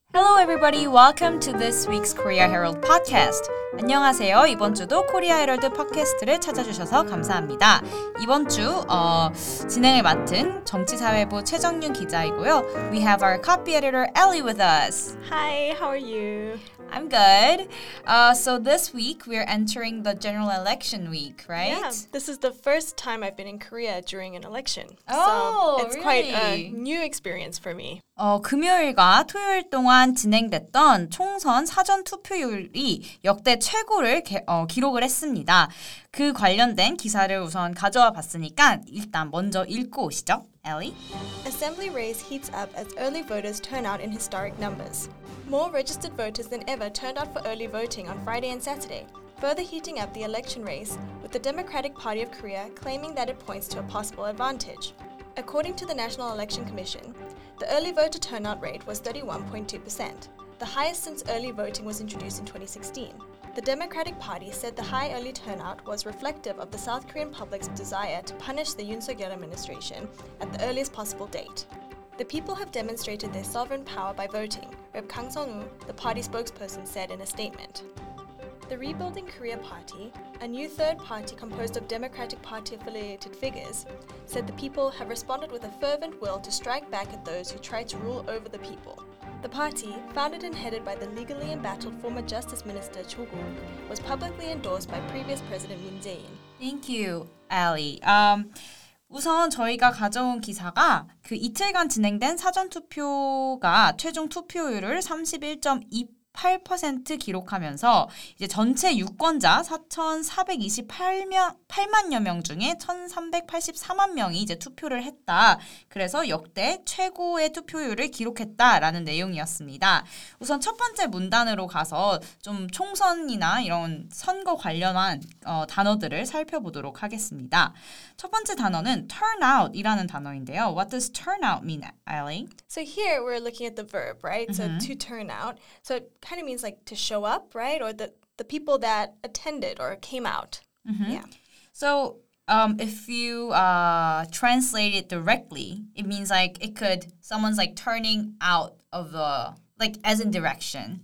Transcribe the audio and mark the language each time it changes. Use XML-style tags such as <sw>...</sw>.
<en>Hello everybody, welcome to this week's Korea Herald podcast.</en> <ko>안녕하세요. 이번 주도 코리아 헤럴드 팟캐스트를 찾아주셔서 감사합니다. 이번 주 진행을 맡은 정치사회부 최정윤 기자이고요.</ko> <en>We have our copy editor Ellie with us. Hi, how are you? I'm good. So this week we're entering the general election week, right? Yeah, this is the first time I've been in Korea during an election. Oh, it's really? Quite a new experience for me.</en> <ko>금요일과 토요일 동안 진행됐던 총선 사전 투표율이 역대 최고를 기록을 했습니다. 그 관련된 기사를 우선 가져와 봤으니까 일단 먼저 읽고 오시죠. Ellie? Assembly race heats up as early voters turn out in historic numbers. More registered voters than ever turned out for early voting on Friday and Saturday, further heating up the election race, with the Democratic Party of Korea claiming that it points to a possible advantage. According to the National Election Commission, the early voter turnout rate was 31.2%, the highest since early voting was introduced in 2016. The Democratic Party said the high early turnout was reflective of the South Korean public's desire to punish the Yoon Suk-yeol administration at the earliest possible date. The people have demonstrated their sovereign power by voting, Rep. Kang Sung-woo, the party spokesperson, said in a statement. The Rebuilding Korea Party, a new third party composed of Democratic Party-affiliated figures, said the people have responded with a fervent will to strike back at those who try to rule over the people. The party, founded and headed by the legally embattled former Justice Minister Cho Guk, was publicly endorsed by previous President Moon Jae-in. Thank you, Ali. 우선 저희가 가져온 기사가 그 이틀간 진행된 사전 투표가 최종 투표율을 31.28% 기록하면서 이제 전체 유권자 4,428만여 명 중에 1,384만 명이 이제 투표를 했다. 그래서 역대 최고의 투표율을 기록했다라는 내용이었습니다. 우선 첫 번째 문단으로 가서 좀 총선이나 이런 선거 관련한 단어들을 살펴보도록 하겠습니다. 첫 번째 단어는 turnout이라는 단어인데요.</ko> <en>What does turnout mean, Ellie? So here we're looking at the verb, right? So to turn out. So it kind of means like to show up, right? Or the people that attended or came out. Mm-hmm. Yeah. So if you translate it directly, it means like someone's like turning out of the, like as in direction.</en>